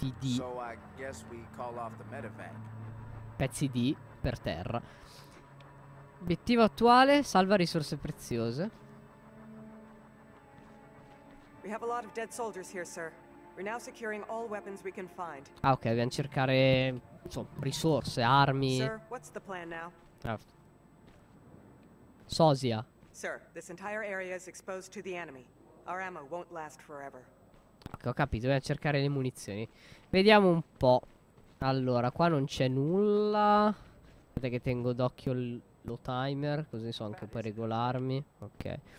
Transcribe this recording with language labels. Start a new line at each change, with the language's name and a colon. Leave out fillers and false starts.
English: So I guess we call off the medevac.
Italian: Pezzi di... Per terra. Obiettivo attuale, salva risorse preziose.
English: We have a lot of dead soldiers here, sir. We're now securing all weapons we can find.
Italian: Ah, ok, dobbiamo cercare risorse, armi.
English: Sir, what's the plan now?
Italian: Sosia.
English: Sir, this entire area is exposed to the enemy. Our ammo won't last forever.
Italian: Ok, ho capito, dobbiamo cercare le munizioni. Vediamo un po'. Allora, qua non c'è nulla. Aspetta che tengo d'occhio lo timer, così so anche per regolarmi. Ok.